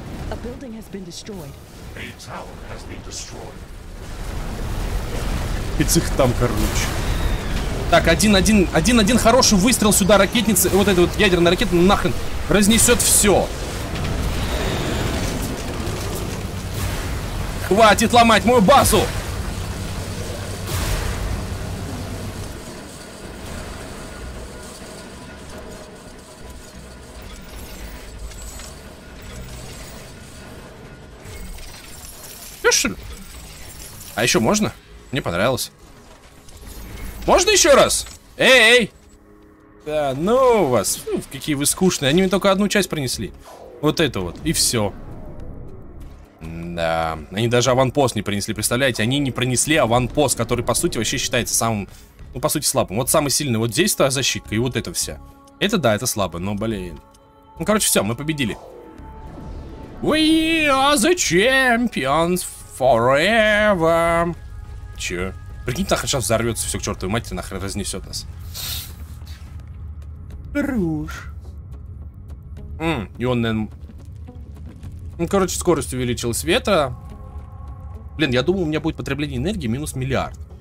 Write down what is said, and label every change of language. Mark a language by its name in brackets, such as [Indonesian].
[English] A building has been destroyed. A tower has been destroyed. [Russian] Этих там, короче. Так, один хороший выстрел сюда ракетницы. Вот эта вот ядерная ракета нахрен разнесет все. Хватит ломать мою базу! А еще можно? Мне понравилось. Можно еще раз? Эй! Да ну вас! Фу, какие вы скучные. Они мне только одну часть принесли. Вот эту вот. И все. Да. Они даже аванпост не принесли, представляете? Они не принесли аванпост, который, по сути, вообще считается самым... Ну, по сути, слабым. Вот самый сильный. Вот здесь твоя защитка и вот это вся. Это да, это слабо, но, блин. Ну, короче, все, мы победили. [English] We are the champions forever. [Russian] Че? Прикинь, нахрен сейчас взорвется все к чертовой матери, нахрен разнесет нас. Хорош. И он, наверное... Ну, короче, скорость увеличилась ветра. Блин, я думал, у меня будет потребление энергии минус миллиард.